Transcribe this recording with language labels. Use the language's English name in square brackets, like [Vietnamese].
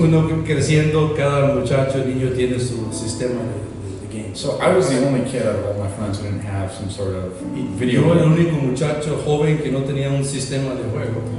[Spanish] Uno creciendo, cada muchacho, niño tiene su sistema de game. [English] So I was the only kid out of all my friends who didn't have some sort of video. [Spanish] Yo era el único muchacho joven que no tenía un sistema de juego.